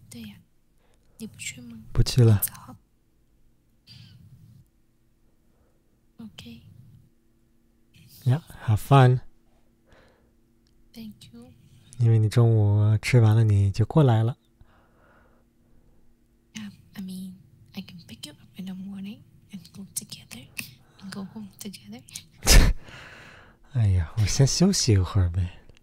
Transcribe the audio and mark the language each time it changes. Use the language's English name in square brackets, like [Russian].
[Chinese] 对呀、啊，你不去吗？不去了。走。 [English] OK。 Yeah， have fun。 Thank you。 [Chinese] 因为你中午吃完了，你就过来了。 [English] Yeah， I mean， I can pick you up in the morning and go together。 Go home together. [Chinese] 哎呀，我先休息一会儿呗。